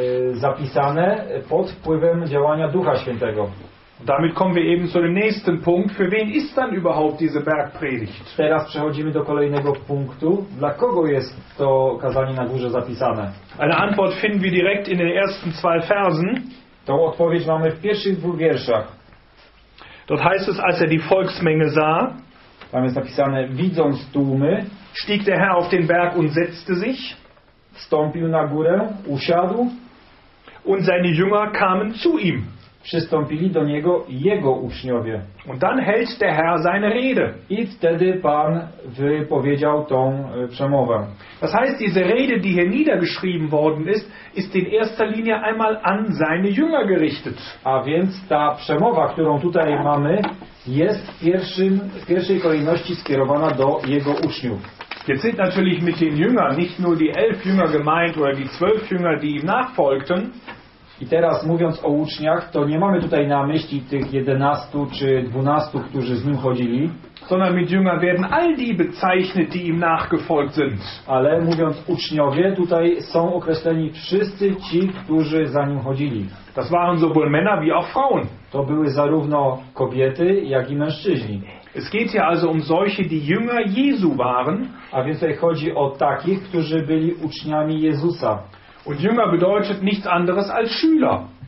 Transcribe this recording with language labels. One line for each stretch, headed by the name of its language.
Polish: Zapisane pod wpływem działania Ducha Świętego.
German: Damit kommen wir eben zu dem nächsten Punkt. Für wen ist dann überhaupt diese Bergpredigt?
Polish: Teraz przechodzimy do kolejnego punktu. Dla kogo jest to kazanie na górze zapisane?
German: Eine Antwort finden wir direkt in den ersten zwei Versen.
Polish: Tą odpowiedź mamy w pierwszych dwóch wierszach.
German: Dort heißt es, als er die Volksmenge sah,
Polish: tam jest napisane, widząc tłumy,
German: stieg der Herr auf den Berg und setzte sich,
Polish: wstąpił na górę, usiadł,
German: und seine Jünger kamen zu ihm.
Polish: Przystąpili do niego jego uczniowie.
German: Und dann hält der Herr seine Rede.
Polish: I wtedy Pan wypowiedział tą przemowę.
German: Das heißt, diese Rede, die hier niedergeschrieben worden ist, ist in erster Linie einmal an seine Jünger gerichtet.
Polish: A więc ta przemowa, którą tutaj mamy, jest w pierwszej kolejności skierowana do jego uczniów.
German: Jetzt sind natürlich mit den Jüngern nicht nur die 11 Jünger gemeint oder die 12 Jünger, die ihm nachfolgten.
Polish: I teraz mówiąc o uczniach, to nie mamy tutaj na myśli tych 11 czy 12, którzy z nim chodzili,
German: sondern mit Jünger werden all die bezeichnet, die ihm nachgefolgt sind.
Polish: Ale mówiąc uczniowie, tutaj są określeni wszyscy ci, którzy za nim chodzili.
German: Das waren sowohl Männer wie auch Frauen.
Polish: To były zarówno kobiety, jak i mężczyźni.
German: Es geht hier also um solche, die Jünger Jesu waren.
Polish: A więc tutaj chodzi o takich, którzy byli uczniami Jezusa.
German: Und Jünger bedeutet nichts anderes als Schüler.